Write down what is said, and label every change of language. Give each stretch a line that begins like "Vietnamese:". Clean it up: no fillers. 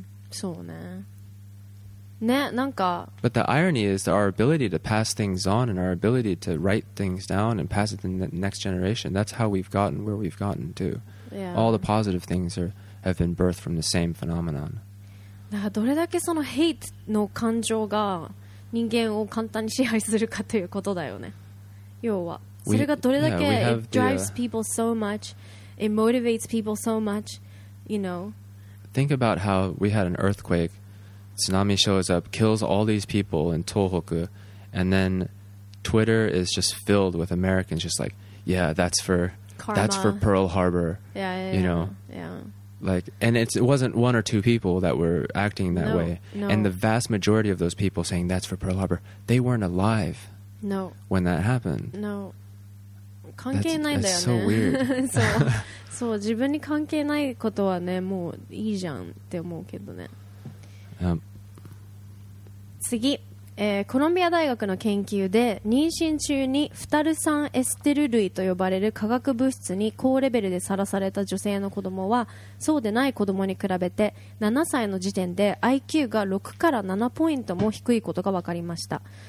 Japanese: そうね。ね、なんか。
English: But the irony is that our ability to pass things on and our ability to write things down and pass it to the next generation, that's how we've gotten where we've gotten to. Yeah. All the positive things have been birthed from the same phenomenon.
Japanese: だからどれだけそのヘイトの感情が人間を簡単に支配するかということだよね。要は。それがどれだけ
English: it drives people so much, it motivates people so much, you know. Think about how we had an earthquake, tsunami shows up, kills all these people in Tohoku, and then Twitter is just filled with Americans just like, yeah, that's for karma. That's for Pearl Harbor, yeah, you know. Yeah. Like, and it wasn't one or two people that were acting that no, way. No. And the vast majority of those people saying that's for Pearl Harbor, they weren't alive. No. When that happened. No.
Japanese: 関係ないんだよね。
English: That's so weird.
Japanese: そう、そう、自分に関係ないことはね、もういいじゃんって思うけどね。次、コロンビア大学の研究で妊娠中にフタル酸エステル類と呼ばれる化学物質に高レベルでさらされた女性の子供はそうでない子供に比べて7歳の時点で IQ が6から7ポイントも低いことが分かりました。